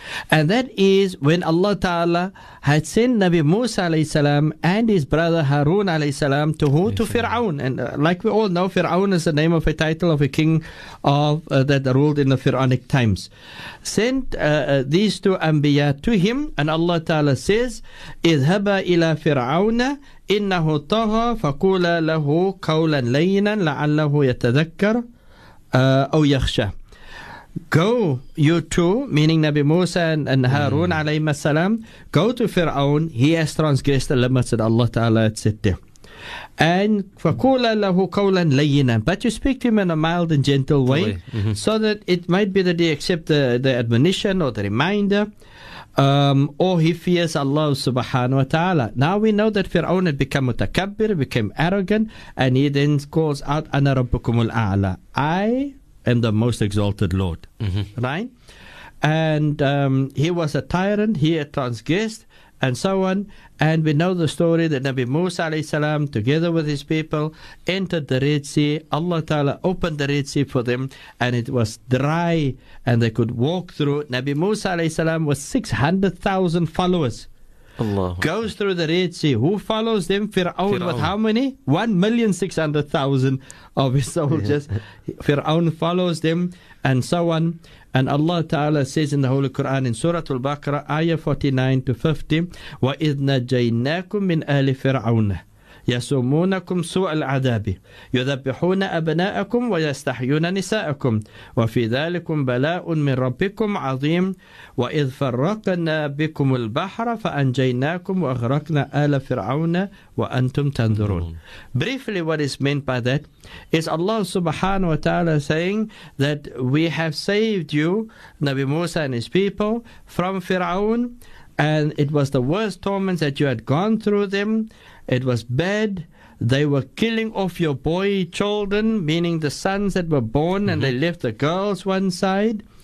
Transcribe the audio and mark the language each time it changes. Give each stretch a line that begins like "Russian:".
English: And that is when Allah Ta'ala had sent Nabi Musa alayhi salam and his brother Harun alayhi salam to who? To Fir'aun. And like we all know, Fir'aun is the name of a title of a king of that ruled in the Fir'aunic times. Sent these two anbiya to him, and Allah Ta'ala says,
Arabic: اِذْهَبَا إِلَى فِرْعَوْنَ إِنَّهُ طَغَى فَقُولَ لَهُ قَوْلًا لَيْنًا لَعَلَّهُ يَتَذَكَّرُ أو يخشى.
English: Go, you two, meaning Nabi Musa and Harun alayhi salam, go to Fir'aun. He has transgressed the limits that Allah Ta'ala had set there. And
Arabic: فَقُولَ لَهُ قَوْلًا لَيِّنًا.
English: But you speak to him in a mild and gentle way, so that it might be that he accept the admonition or the reminder, or he fears Allah subhanahu wa ta'ala. Now we know that Fir'aun had become mutakabbir, became arrogant, and he then calls out,
Arabic: أَنَا رَبُّكُمُ الْأَعْلَى.
English: I am the most exalted Lord. Right? And he was a tyrant, he had transgressed, and so on. And we know the story that Nabi Musa alayhi salam, together with his people, entered the Red Sea. Allah Ta'ala opened the Red Sea for them, and it was dry, and they could walk through. Nabi Musa alayhi salam, with 600,000 followers, goes through the Red Sea. Who follows them? Fir'aun. With how many? 1,600,000 of his soldiers. Fir'aun follows them, and so on. And Allah Ta'ala says in the Holy Quran in Surah Al-Baqarah, Ayah 49 to 50,
Arabic: وَإِذْ نَجَيْنَاكُمْ مِنْ آلِ فِرْعَوْنَ يَسُومُونَكُمْ سُوءَ الْعَذَابِ يُذَبِّحُونَ أَبْنَاءَكُمْ وَيَسْتَحْيُونَ نِسَاءَكُمْ وَفِي ذَلِكُمْ بَلَاءٌ مِنْ رَبِّكُمْ عَظِيمٌ وَإِذْ فَرَّقْنَا بِكُمُ الْبَحْرَ فَأَنْجَيْنَاكُمْ وَأَغْرَقْنَا آلَ فِرْعَوْنَ وَأَنْتُمْ تَنْظُرُونَ.
English: Briefly, what is meant by that is Allah subhanahu wa ta'ala saying that we have saved you, Nabi Musa and his people, from Fir'aun, and it was the worst torments that you had gone through them. It was bad. They were killing off your boy children, meaning the sons that were born, and they left the girls one side.